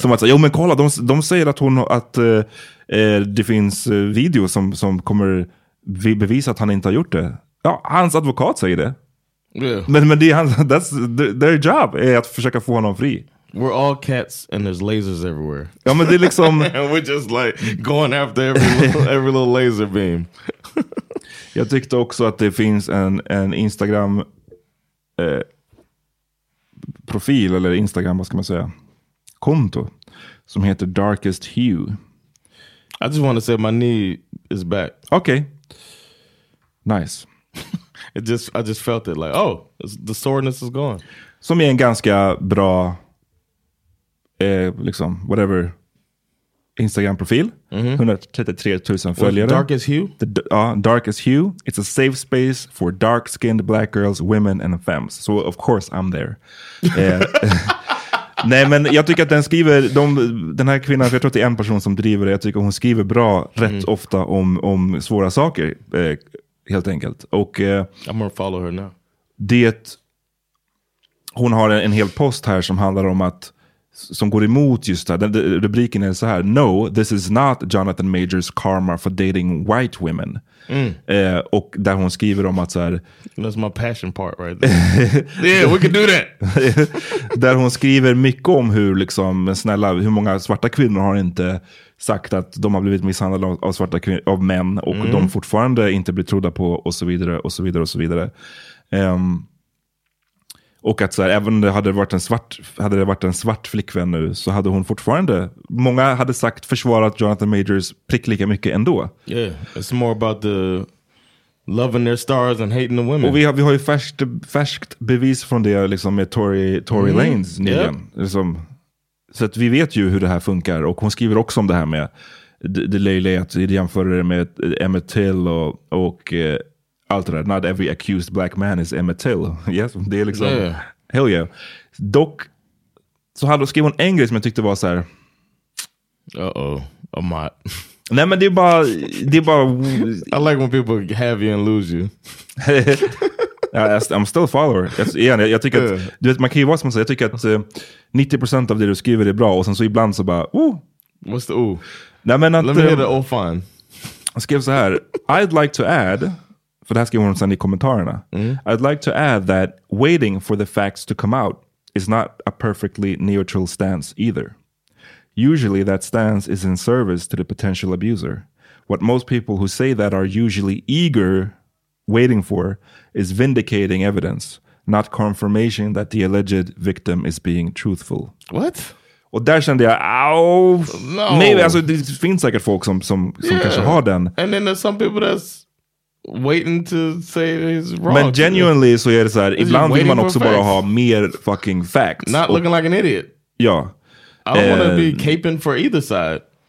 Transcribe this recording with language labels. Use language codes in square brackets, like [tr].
[sv] Som att säga, jo men kolla, de säger att, hon, att det finns video som kommer bevisa att han inte har gjort det. Ja, hans advokat säger det. [en] Yeah. [sv] Men det är hans, [en] that's their job [sv] är att försöka få honom fri. [en] We're all cats and there's lasers everywhere. [sv] Ja, men det är liksom... [en] and we're just like going after every little laser beam. [sv] Jag tyckte också att det finns en Instagram profil eller Instagram, vad ska man säga, konto som heter Darkest Hue. [en] I just want to say my knee is back. Okay. Nice. I just felt it like, oh, the soreness is gone. [sv] Som är en ganska bra liksom whatever Instagram profil. Mm-hmm. 133,000 följare. Darkest Hue? Darkest Hue. [en] It's a safe space for dark-skinned black girls, women and femmes. So of course I'm there. [sv] Nej, men jag tycker att den skriver, den här kvinnan, för jag tror att det är en person som driver det, jag tycker hon skriver bra rätt ofta om svåra saker, helt enkelt. Och, [en] I'm gonna follow her now. [sv] Det, hon har en hel post här som handlar om att som går emot just det. Rubriken är så här: [en] no, this is not Jonathan Majors karma for dating white women. [sv] Och där hon skriver om att så här, [en] that's my passion part right there. Yeah, we can do that. [sv] Där hon skriver mycket om hur liksom, snälla, hur många svarta kvinnor har inte sagt att de har blivit misshandlade av svarta kvinnor, av män, och de fortfarande inte blir trodda på, och så vidare och så vidare och så vidare. Och att så här, även om det hade varit en svart flickvän nu, så hade hon fortfarande, många hade sagt, försvarat Jonathan Majors prick lika mycket ändå. [en] Yeah, it's more about the loving their stars and hating the women. [sv] Och vi har ju färskt bevis från det liksom med Tory Lanez nyligen. Yep. Liksom, så att vi vet ju hur det här funkar, och hon skriver också om det här med det löjliga att jämföra det med Emmett Till och allt det där. [en] Not every accused black man is Emmett Till. Yes, [sv] det är liksom... [en] Yeah. Hell yeah. [sv] Dock, så hade hon skrivit en grej som jag tyckte var så här... [en] Uh-oh. I'm not. [sv] Nej, men det är bara... [en] I like when people have you and lose you. I'm still a follower. [sv] Jag tycker att... [en] Yeah. [sv] Du vet, man kan ju vara som att säga. Jag tycker att 90% av det du skriver är bra. Och sen så ibland så bara... Ooh. [en] What's the ooh? [sv] Nej, men att... [en] Let me hear the oh fine. [sv] Jag skrev så här. [en] I'd like to add... [sv] För det här skriver hon sen i kommentarerna. [en] I'd like to add that waiting for the facts to come out is not a perfectly neutral stance either. Usually that stance is in service to the potential abuser. What most people who say that are usually eager waiting for is vindicating evidence, not confirmation that the alleged victim is being truthful. What? [sv] Och där kände jag, [en] no. [sv] Maybe, alltså det finns säkert folk som kanske har den. [en] And then there's some people that's waiting to say he's wrong. [sv] Men genuinely så är det så här, ibland vill man också bara ha mer [en] fucking facts. Not looking like an idiot. [sv] Ja. [en] I don't want to be caping for either side.